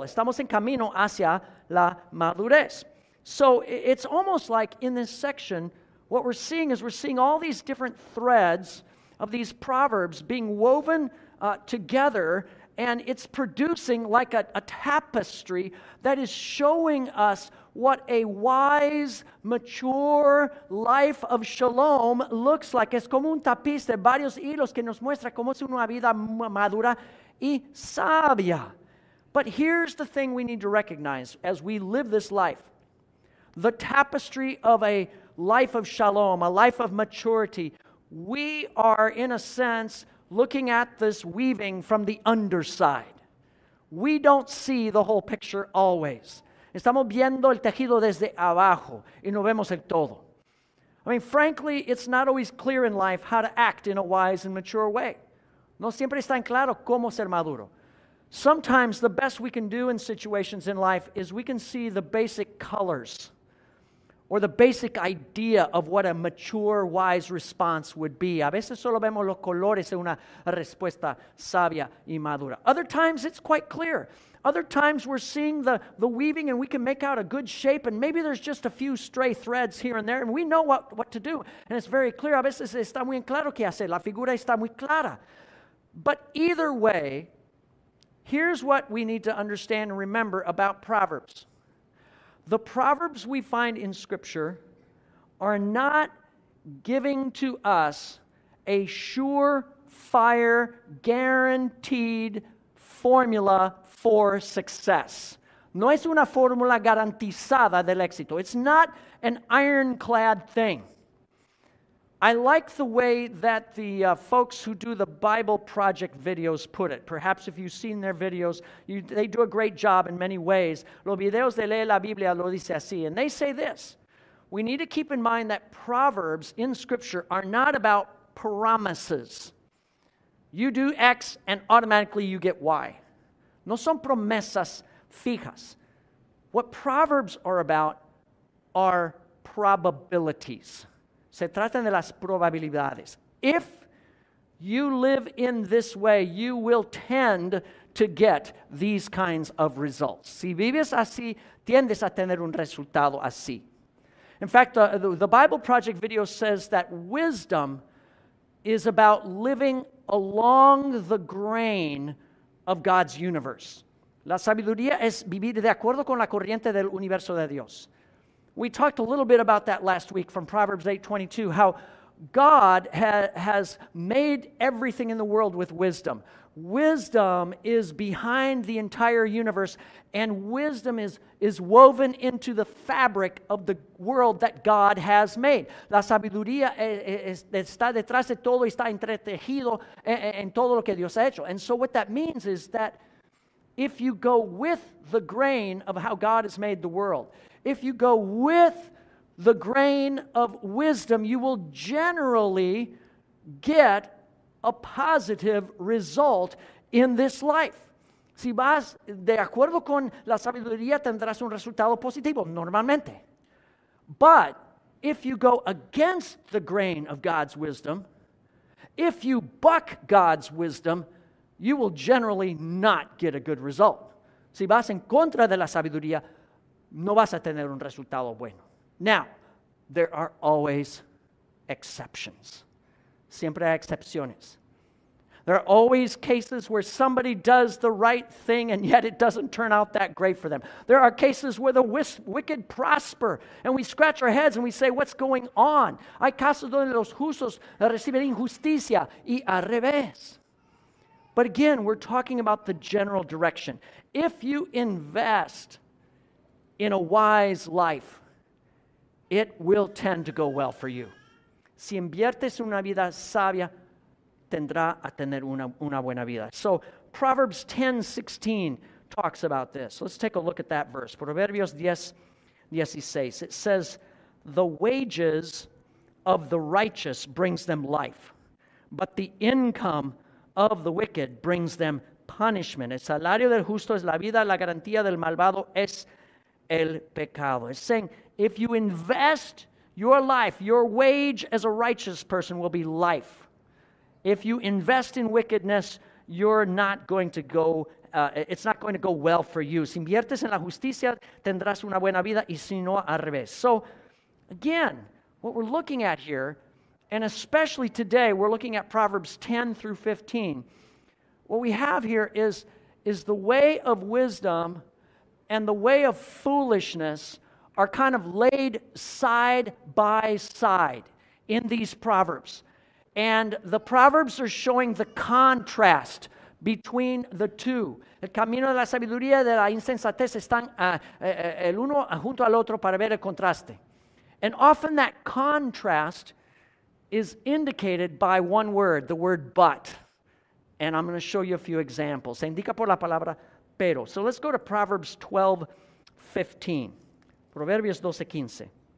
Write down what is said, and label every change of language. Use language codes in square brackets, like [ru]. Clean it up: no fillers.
[es] Estamos en camino hacia la madurez. [en] So it's almost like in this section, what we're seeing is we're seeing all these different threads of these Proverbs being woven together, and it's producing like a tapestry that is showing us what a wise, mature life of shalom looks like. [es] Es como un tapiz de varios hilos que nos muestra cómo es una vida madura y sabia. [en] But here's the thing we need to recognize as we live this life. The tapestry of a life of shalom, a life of maturity, we are, in a sense, looking at this weaving from the underside. We don't see the whole picture always. [es] Estamos viendo el tejido desde abajo y no vemos el todo. [en] I mean, frankly, it's not always clear in life how to act in a wise and mature way. [es] No siempre está en claro cómo ser maduro. [en] Sometimes the best we can do in situations in life is we can see the basic colors or the basic idea of what a mature, wise response would be. [es] A veces solo vemos los colores de una respuesta sabia y madura. [en] Other times it's quite clear. Other times we're seeing the weaving and we can make out a good shape, and maybe there's just a few stray threads here and there and we know what to do. And it's very clear. [es] A veces está muy claro qué hacer. La figura está muy clara. [en] But either way, here's what we need to understand and remember about Proverbs. The Proverbs we find in Scripture are not giving to us a sure-fire, guaranteed formula for success. [es] No es una fórmula garantizada del éxito. [en] It's not an ironclad thing. I like the way that the folks who do the Bible Project videos put it. Perhaps if you've seen their videos, they do a great job in many ways. [es] Los videos de leer la Biblia lo dice así. [en] And they say this. We need to keep in mind that Proverbs in Scripture are not about promises. You do X and automatically you get Y. [es] No son promesas fijas. [en] What Proverbs are about are probabilities. [es] Se tratan de las probabilidades. [en] If you live in this way, you will tend to get these kinds of results. [es] Si vives así, tiendes a tener un resultado así. [en] In fact, the Bible Project video says that wisdom is about living along the grain of God's universe. [es] La sabiduría es vivir de acuerdo con la corriente del universo de Dios. [en] We talked a little bit about that last week from Proverbs 8:22, how God has made everything in the world with wisdom. Wisdom is behind the entire universe, and wisdom is woven into the fabric of the world that God has made. [es] La sabiduría está detrás de todo y está entretejido en todo lo que Dios ha hecho. [en] And so what that means is that if you go with the grain of how God has made the world, if you go with the grain of wisdom, you will generally get a positive result in this life. [es] Si vas de acuerdo con la sabiduría, tendrás un resultado positivo, normalmente. [en] But if you go against the grain of God's wisdom, if you buck God's wisdom, you will generally not get a good result. [es] Si vas en contra de la sabiduría, no vas a tener un resultado bueno. [en] Now, there are always exceptions. [es] Siempre hay excepciones. [en] There are always cases where somebody does the right thing and yet it doesn't turn out that great for them. There are cases where the wicked prosper and we scratch our heads and we say, what's going on? [es] Hay casos donde los justos reciben injusticia y al revés. [en] But again, we're talking about the general direction. If you invest in a wise life, it will tend to go well for you. [es] Si inviertes en una vida sabia, tendrá a tener una buena vida. [en] So Proverbs 10:16 talks about this. Let's take a look at that verse. Proverbios 10:16. It says, the wages of the righteous brings them life, but the income of the wicked brings them punishment. [es] El salario del justo es la vida, la garantía del malvado es el pecado. [en] It's saying, if you invest your life, your wage as a righteous person will be life. If you invest in wickedness, you're not going to go, it's not going to go well for you. [es] Si inviertes en la justicia, tendrás una buena vida, y si no, al revés. [en] So, again, what we're looking at here, and especially today, we're looking at Proverbs 10 through 15. What we have here is the way of wisdom and the way of foolishness are kind of laid side by side in these Proverbs. And the Proverbs are showing the contrast between the two. [es] El camino de la sabiduría y de la insensatez están el uno junto al otro para ver el contraste. [en] And often that contrast is indicated by one word, the word but. And I'm going to show you a few examples. [es] Se indica por la palabra pero. [en] So let's go to Proverbs 12:15. Proverbios 12:15.